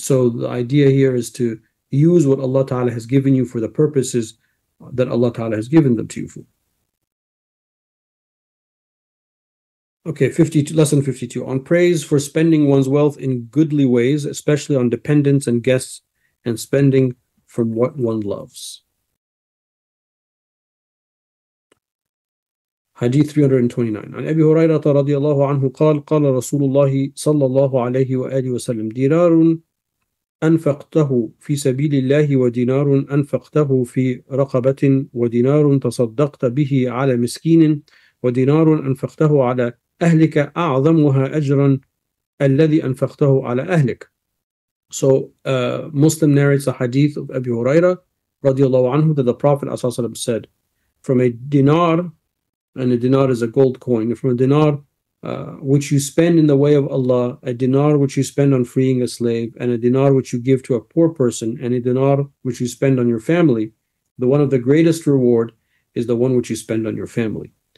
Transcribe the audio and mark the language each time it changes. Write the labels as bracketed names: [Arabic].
[English] So the idea here is to use what Allah Ta'ala has given you for the purposes that Allah Ta'ala has given them to you for. Okay, 52, lesson 52. On praise for spending one's wealth in goodly ways, especially on dependents and guests, and spending from what one loves. Hadith 329. [Arabic] عن أبي هريرة رضي الله عنه قال قال رسول الله صلى الله عليه وآله وسلم دينار أنفقته في سبيل الله ودينار أنفقته في رقبة ودينار تصدقت به على مسكين ودينار أنفقته على أهلك أعظمها أجرا الذي أنفقته على أهلك. [English] So Muslim narrates a hadith of Abu Huraira radiallahu anhu that the Prophet ﷺ said, from a dinar, and a dinar is a gold coin, from a dinar which you spend in the way of Allah, a dinar which you spend on freeing a slave, and a dinar which you give to a poor person, and a dinar which you spend on your family, the one of the greatest reward is the one which you spend on your family.